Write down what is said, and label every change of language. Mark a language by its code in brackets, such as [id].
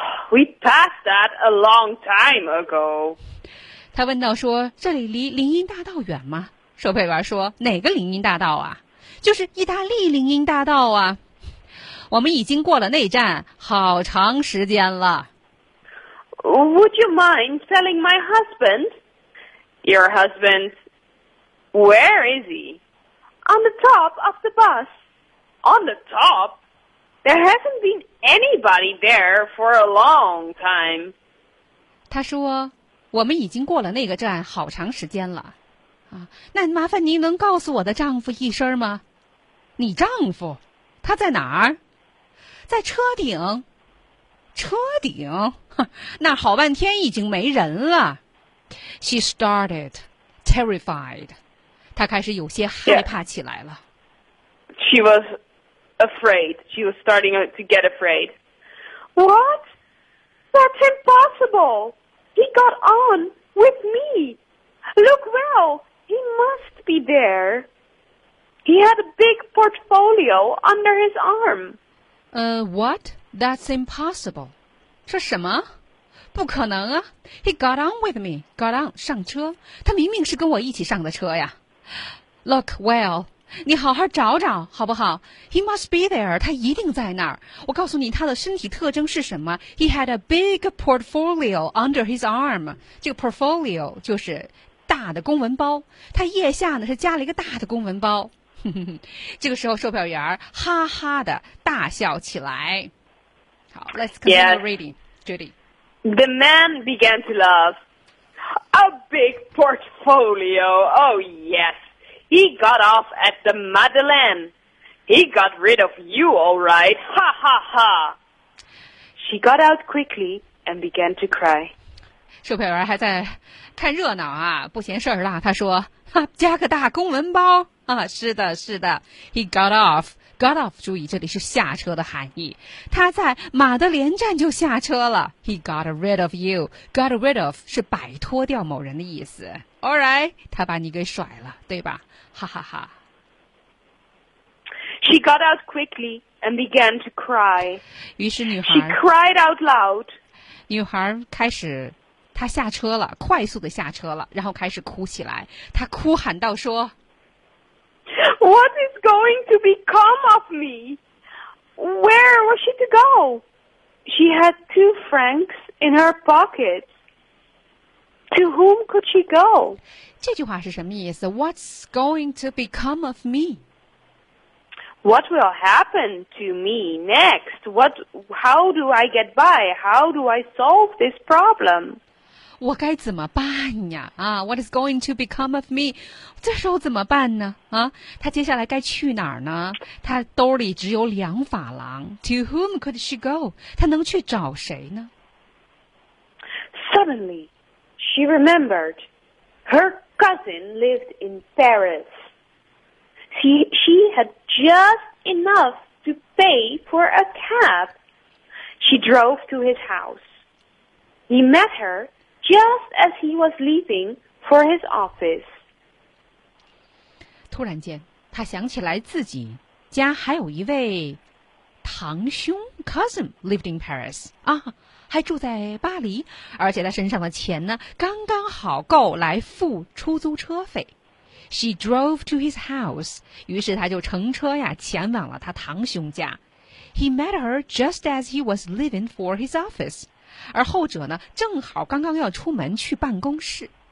[en] We passed that a long time ago. [zh] 他问道说这里离林荫大道远吗售票员说哪个林荫大道啊就是意大利林荫大道啊我们已经过了内站好长时间了。 [en] Would you mind telling my husband? Your husband? Where is he? On the top of the bus. On the top? There hasn't been anybody there for a long time. [zh] 他说我们已经过了那个站好长时间了。啊，那麻烦您能告诉我的丈夫一声吗？你丈夫？他在哪儿？在车顶，车顶，那好半天已经没人了。 [en] She started terrified. [zh] 她开始有些害怕起来了。 [en] Yeah. She was afraid. She was starting to get afraid. What? That's impossible. He got on with me. Look well. He must be there. He had a big portfolio under his arm. What? That's impossible. [zh] 这什么？不可能啊。 [en] He got on with me. Got on, [zh] 上车。他明明是跟我一起上的车呀。 [en] Look, well, [zh] 你好好找找好不好 ? [en] He must be there. [zh] 他一定在那儿。我告诉你他的身体特征是什么 ? [en] He had a big portfolio under his arm. [zh] 这个 portfolio 就是大的公文包。他腋下呢是加了一个大的公文包。这个时候售票员哈哈的大笑起来。 [en] 好 ,let's continue reading, Judy. The man began to laugh. A big portfolio, oh yes. He got off at the Madeleine. He got rid of you, all right. Ha ha ha. She got out quickly and began to cry. [zh] 售票员还在看热闹啊不嫌事儿了他说加个大公文包。啊，是的，是的 ， [en] He got off. Got off. [zh] 注意，这里是下车的含义。他在马德莲站就下车了。 [en] He got rid of you. Got rid of [zh] 是摆脱掉某人的意思。 [en] All right, [zh] 他把你给甩了，对吧？哈哈哈。 [en] She got out quickly and began to cry. [zh] 于是女孩 [en] ，She cried out loud. [zh] 女孩开始，她下车了，快速的下车了，然后开始哭起来。她哭喊道说。 [en] What is going to become of me? Where was she to go? She had 2 francs in her pocket. To whom could she go? [zh] 这句话是什么意思? [en] What's going to become of me? What will happen to me next? What, how do I get by? How do I solve this problem? [zh] 我该怎么办呀啊、 [en] What is going to become of me? [zh] 这时候怎么办呢啊他接下来该去哪儿呢他兜里只有2法郎。 [en] To whom could she go? [zh] 他能去找谁呢 [en] Suddenly, she remembered. Her cousin lived in Paris. She had just enough to pay for a cab. She drove to his house. He met her. Just as he was leaving for his office. [zh] 突然间他想起来自己家还有一位堂兄 [en] cousin lived in Paris. [zh] 啊还住在巴黎而且他身上的钱呢刚刚好够来付出租车费。 [en] She drove to his house. [zh] 于是他就乘车呀前往了他堂兄家。 [en] He met her just as he was leaving for his office. [zh] 而后者呢正好刚刚要出门去办公室。